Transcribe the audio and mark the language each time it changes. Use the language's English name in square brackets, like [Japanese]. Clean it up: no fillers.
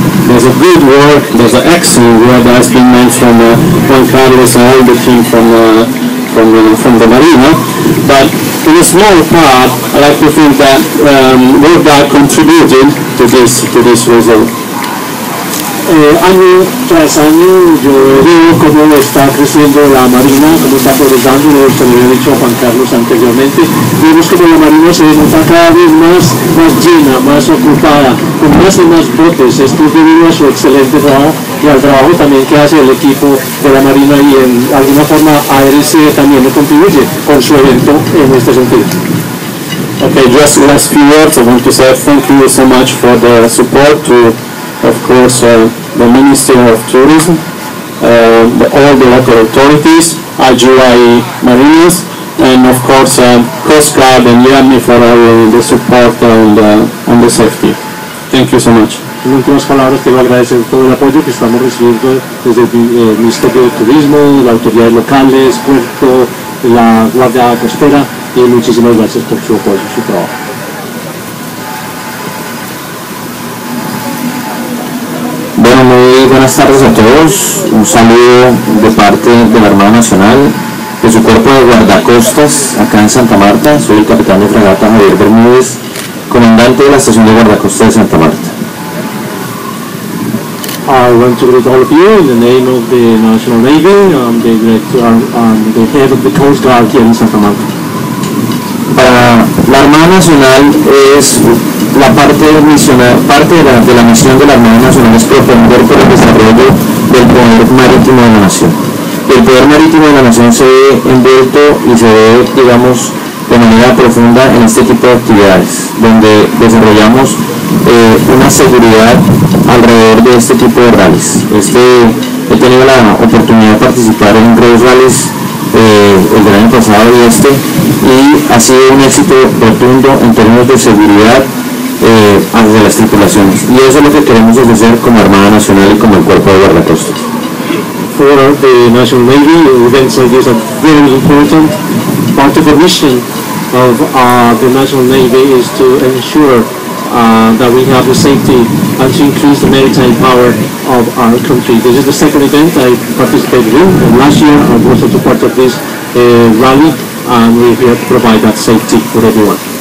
[English] there's a good work, there's an excellent work that has been made from Juan Carlos and all the team from the marina, but in a small part, I like to think that World Dark contributed to this result. [Spanish] Año tras año, yo veo cómo está creciendo la marina, cómo está progresando, lo que había dicho Juan Carlos anteriormente. Vemos cómo la marina se nota cada vez más llena, más ocupada, con más y más botes. Esto es debido a su excelente trabajo y al trabajo también que hace el equipo de la marina, y en alguna forma ARC también lo contribuye con su evento en este sentido. [English] Okay, just last few words. I want to say thank you so much for the support to, of course, the Ministry of Tourism, all the local authorities, IGY Marinas, and of course Coast Guard and Yami for all the support and the safety. Thank you so much. [Spanish] En últimas palabras, quiero agradecer todo el apoyo que estamos recibiendo desde el Ministerio de Turismo, las autoridades locales, puerto, la Guardia Costera, y muchísimas gracias por su apoyo, su trabajo. Buenas tardes a todos, un saludo de parte de la Armada Nacional, de su cuerpo de guardacostas acá en Santa Marta. Soy el capitán de fragata Javier Bermúdez, comandante de la estación de guardacostas de Santa Marta. [English] I want to greet all of you in the name of the National Navy. I'm the director, the head of the Coast Guard here in Santa Marta. [Spanish] Para la Armada Nacional es la parte de la misión de la Armada Nacional es propender por el desarrollo del poder marítimo de la nación. El poder marítimo de la nación se ve envuelto y se ve, digamos, de manera profunda en este tipo de actividades, donde desarrollamos una seguridad alrededor de este tipo de rallies. He tenido la oportunidad de participar en tres rallies, el del año pasado y este, y ha sido un éxito rotundo en términos de seguridad hacia las tripulaciones, y eso es lo que queremos ofrecer como Armada Nacional y como el Cuerpo de Guardacostas. [English] For the National Navy, events like this are very important. Part of the mission of the National Navy is to ensure that we have the safety and to increase the maritime power of our country. This is the second event I participated in, and last year I was also part of this rally, and we're here to provide that safety for everyone.